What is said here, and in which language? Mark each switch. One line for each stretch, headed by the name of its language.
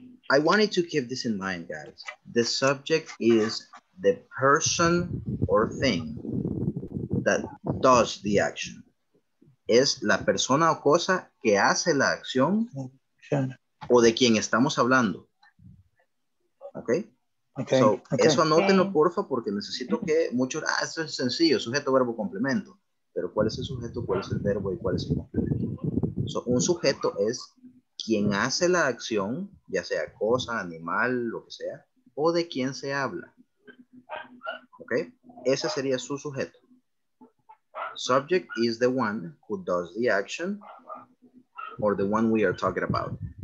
English: I wanted to keep this in mind, guys. The subject is the person or thing that does the action.
Spanish: Es la persona o cosa que hace la acción o de quien estamos hablando.
English: Okay? Okay. So, okay.
Spanish: Eso anótenlo, okay. Porfa, porque necesito que muchos... Ah, esto es sencillo, sujeto, verbo, complemento. Pero ¿cuál es el sujeto, cuál es el verbo y cuál es el complemento? So, un sujeto es quien hace la acción, ya sea cosa, animal, lo que sea, o de quien se habla. Okay? Ese sería su sujeto.
English: Subject is the one who does the action or the one we are talking about.